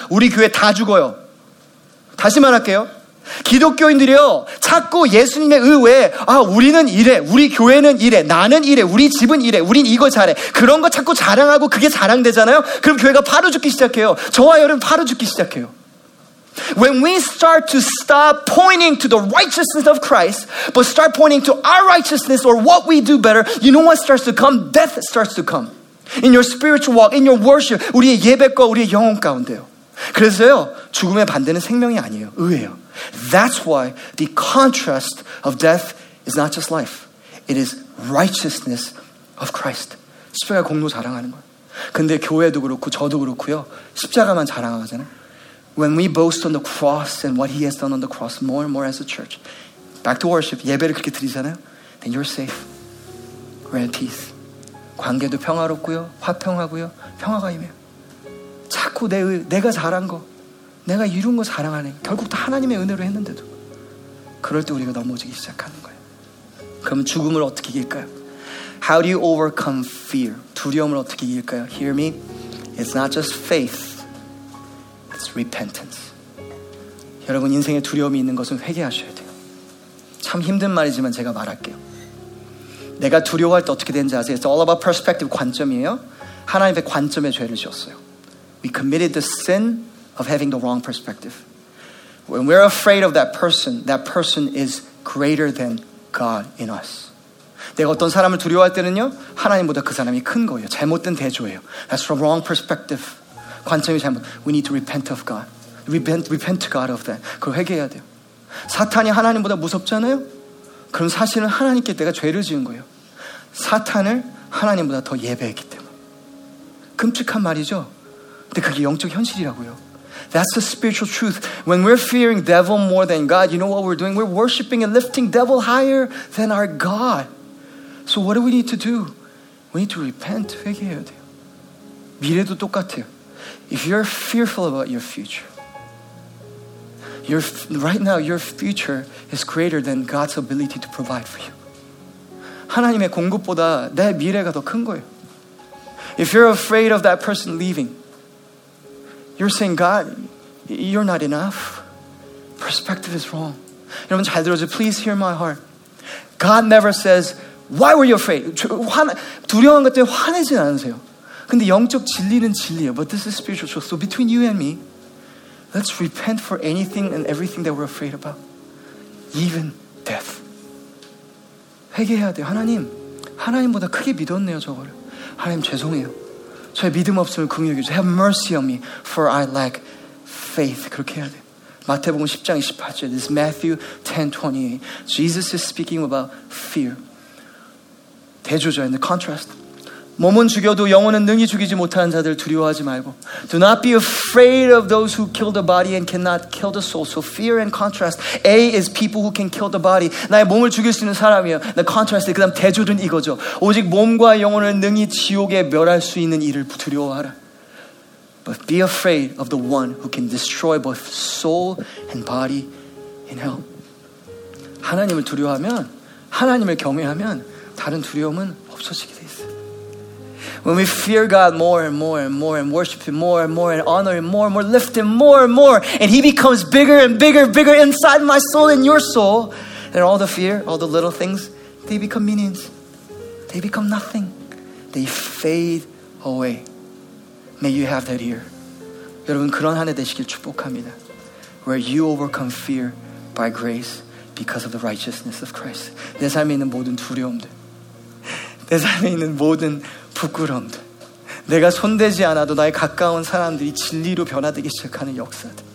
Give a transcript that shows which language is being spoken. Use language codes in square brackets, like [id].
[ko] 우리 교회 다 죽어요. 다시 말할게요. 기독교인들이요 자꾸 예수님의 의 외에 아 우리는 이래, 우리 교회는 이래, 나는 이래, 우리 집은 이래, 우린 이거 잘해, 그런 거 자꾸 자랑하고 그게 자랑되잖아요. 그럼 교회가 바로 죽기 시작해요. 저와 여러분 바로 죽기 시작해요. [en] When we start to stop pointing to the righteousness of Christ, but start pointing to our righteousness or what we do better, you know what starts to come? Death starts to come. In your spiritual walk, in your worship, [ko] 우리의 예배과 우리의 영혼 가운데요. 그래서요, 죽음에 반대는 생명이 아니에요. 의예요. [en] That's why the contrast of death is not just life. It is righteousness of Christ. [ko] 십자가 공로 자랑하는 거예요. 근데 교회도 그렇고 저도 그렇고요. 십자가만 자랑하잖아요. [en] When we boast on the cross and what he has done on the cross more and more as a church, back to worship, [ko] 예배를 그렇게 드리잖아요. [en] Then you're safe. We're at peace. [ko] 관계도 평화롭고요. 화평하고요. 평화가 임해요. 자꾸 내가 잘한 거, 내가 이룬 거 자랑하네. 결국 다 하나님의 은혜로 했는데도. 그럴 때 우리가 넘어지기 시작하는 거예요. 그럼 죽음을 어떻게 이길까요? [en] How do you overcome fear? [ko] 두려움을 어떻게 이길까요? [en] Hear me. It's not just faith. It's repentance. [ko] 여러분 인생에 두려움이 있는 것은 회개하셔야 돼요. 참 힘든 말이지만 제가 말할게요. 내가 두려워할 때 어떻게 되는지 아세요? [en] It's all about perspective, [ko] 관점이에요. 하나님의 관점에 죄를 지었어요. [en] We committed the sin of having the wrong perspective. When we're afraid of that person is greater than God in us. [ko] 내가 어떤 사람을 두려워할 때는요, 하나님보다 그 사람이 큰 거예요. 잘못된 대조예요. [en] That's from wrong perspective. [ko] 관점이 잘못. [en] We need to repent of God. Repent to God of that. [ko] 그걸 회개해야 돼요. 사탄이 하나님보다 무섭잖아요? 그럼 사실은 하나님께 내가 죄를 지은 거예요. 사탄을 하나님보다 더 예배했기 때문에. 끔찍한 말이죠? 근데 그게 영적 현실이라고요. [en] That's the spiritual truth. When we're fearing devil more than God, you know what we're doing? We're worshiping and lifting devil higher than our God. So what do we need to do? We need to repent. [ko] 회개해야 돼요. 미래도 똑같아요. [en] If you're fearful about your future, right now your future is greater than God's ability to provide for you. [ko] 하나님의 공급보다 내 미래가 더 큰 거예요. [en] If you're afraid of that person leaving, you're saying, God, you're not enough. Perspective is wrong. [ko] 여러분 잘 들어주세요. [en] Please hear my heart. God never says, why were you afraid? [ko] 두려운 것 때문에 화내진 않으세요. 근데 영적 진리는 진리예요. [en] But this is spiritual truth. So between you and me, let's repent for anything and everything that we're afraid about. Even death. [ko] 회개해야 돼요. 하나님, 하나님보다 크게 믿었네요, 저거를. 하나님, 죄송해요. 저의 믿음 없음을 긍휼히 여기세요. [en] Have mercy on me, for I lack faith. [ko] 그렇게 해야 돼요. 마태복음 10장 28절. [en] This is Matthew 10, 28. Jesus is speaking about fear. [ko] 대조죠, [en] in the contrast. [ko] 몸은 죽여도 영혼은 능히 죽이지 못하는 자들 두려워하지 말고. [en] Do not be afraid of those who kill the body and cannot kill the soul. So fear and contrast. A is people who can kill the body. [ko] 나의 몸을 죽일 수 있는 사람이에요. [en] The contrast. [ko] 그 다음 대조는 이거죠. 오직 몸과 영혼을 능히 지옥에 멸할 수 있는 이를 두려워하라. [en] But be afraid of the one who can destroy both soul and body in hell. [ko] 하나님을 두려워하면, 하나님을 경외하면 다른 두려움은 없어지게. [en] When we fear God more and more and more and worship Him more and more and honor Him more and more, lift Him more and more, and He becomes bigger and bigger and bigger inside my soul and your soul, and all the fear, all the little things, they become meanings. They become nothing. They fade away. May you have that here. [ko] 여러분, 그런 한 해 되시길 축복합니다. [en] Where you overcome fear by grace because of the righteousness of Christ. [ko] 내 삶에 있는 모든 두려움들, 내 삶에 있는 모든 부끄러움들, 내가 손대지 않아도 나의 가까운 사람들이 진리로 변화되기 시작하는 역사들,